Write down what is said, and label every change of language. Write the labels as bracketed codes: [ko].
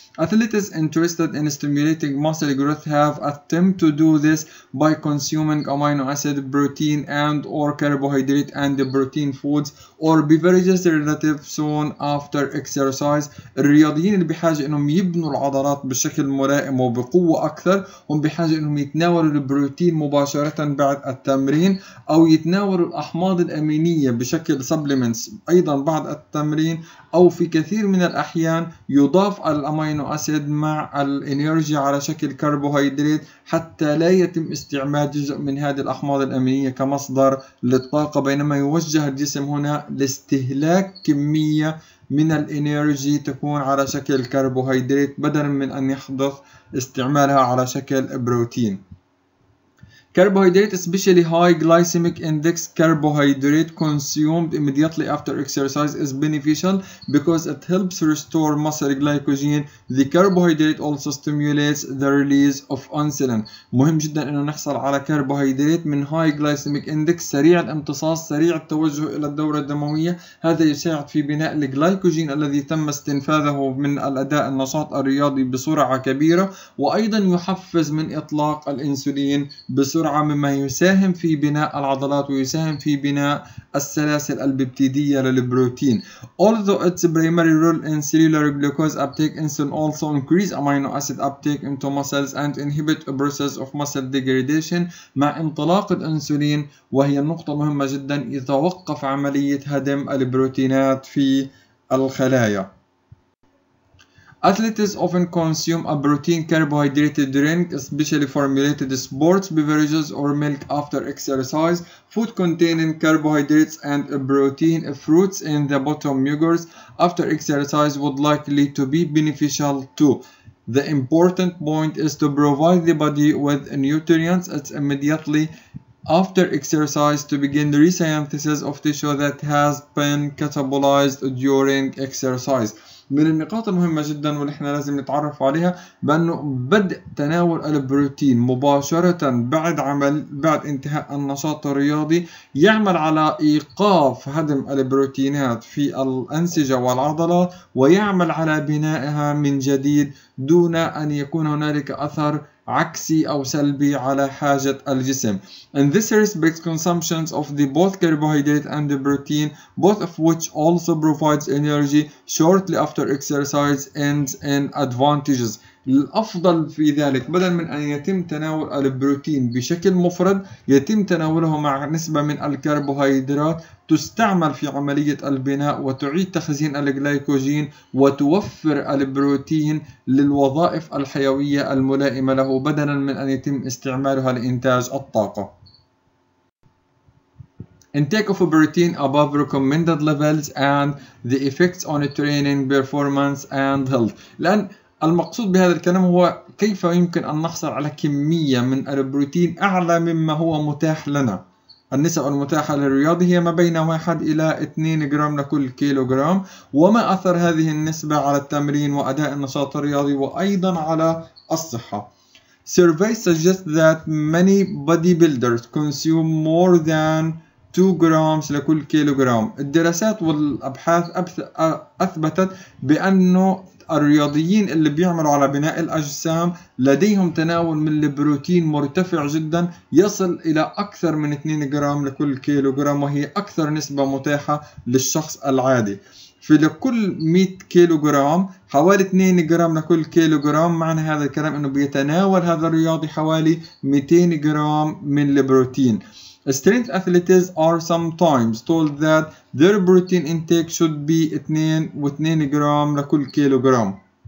[en] Athletes interested in stimulating muscle growth have attempted to do this by consuming amino acid protein and or carbohydrate and protein foods or beverages relative soon after exercise. [ar] الرياضيين اللي بحاجة انهم يبنوا العضلات بشكل ملائم وبقوة اكثر هم بحاجة انهم يتناولوا البروتين مباشرة بعد التمرين او يتناولوا الاحماض الامينية بشكل supplements ايضا بعد التمرين، او في كثير من الاحيان يضاف الامينو اسيد مع الانيرجي على شكل كربوهيدرات حتى لا يتم استعمال جزء من هذه الاحماض الامينية كمصدر للطاقة، بينما يوجه الجسم هنا لاستهلاك كمية من الانيرجي تكون على شكل كربوهيدرات بدلا من ان يحدث استعمالها على شكل بروتين. [en] Carbohydrate, especially high glycemic index carbohydrate consumed immediately after exercise is beneficial because it helps restore muscle glycogen. The carbohydrate also stimulates the release of insulin. [ar] مهم جدا انه نحصل على كربوهيدرات من [en] high glycemic index، [ar] سريع الامتصاص، سريع التوجه الى الدورة الدموية. هذا يساعد في بناء الجلايكوجين الذي تم استنفاذه من الاداء النشاط الرياضي بسرعة كبيرة، وايضا يحفز من اطلاق الانسولين بسرعة مما يساهم في بناء العضلات ويساهم في بناء السلاسل البيبتيدية للبروتين. [en] Although its primary role in cellular glucose uptake, insulin also increase amino acid uptake into muscles and inhibit a process of muscle degradation. [ar] مع انطلاق الانسولين وهي النقطة مهمة جدا يتوقف عملية هدم البروتينات في الخلايا. [en] Athletes often consume a protein carbohydrate drink, especially formulated sports beverages or milk after exercise. Food containing carbohydrates and protein, fruits in the bottom yogurts after exercise would likely to be beneficial too. The important point is to provide the body with nutrients immediately after exercise to begin the resynthesis of tissue that has been catabolized during exercise. [ar] من النقاط المهمة جدا واللي احنا لازم نتعرف عليها بانه بدء تناول البروتين مباشرة بعد انتهاء النشاط الرياضي يعمل على ايقاف هدم البروتينات في الانسجة والعضلات ويعمل على بنائها من جديد دون ان يكون هنالك اثر عكسي او سلبي على حاجة الجسم. [en] In this respect, consumptions of the both carbohydrate and the protein, both of which also provides energy shortly after exercise, ends in advantages. [ar] الافضل في ذلك بدل من ان يتم تناول البروتين بشكل مفرد يتم تناوله مع نسبة من الكربوهيدرات تستعمل في عملية البناء وتعيد تخزين الجلايكوجين وتوفر البروتين للوظائف الحيوية الملائمة له بدلا من ان يتم استعمالها لانتاج الطاقة. [en] Intake of protein above recommended levels and the effects on training performance and health. [ar] لان المقصود بهذا الكلام هو كيف يمكن أن نحصل على كمية من البروتين أعلى مما هو متاح لنا. النسب المتاحة للرياضي هي ما بين 1 إلى 2 جرام لكل كيلو جرام، وما أثر هذه النسبة على التمرين وأداء النشاط الرياضي وأيضا على الصحة. [en] Survey suggests that many bodybuilders consume more than 2 grams [ar] لكل كيلوغرام. الدراسات والأبحاث أثبتت بأنه الرياضيين اللي بيعملوا على بناء الأجسام لديهم تناول من البروتين مرتفع جدا يصل إلى أكثر من 2 جرام لكل كيلوغرام، وهي أكثر نسبة متاحة للشخص العادي. في لكل 100 كيلوغرام حوالي 2 جرام لكل كيلوغرام، معنى هذا الكلام أنه بيتناول هذا الرياضي حوالي 200 جرام من البروتين. [en] Strength athletes are sometimes told that their protein intake should be 2.2 gram [ar] لكل كيلوغرام.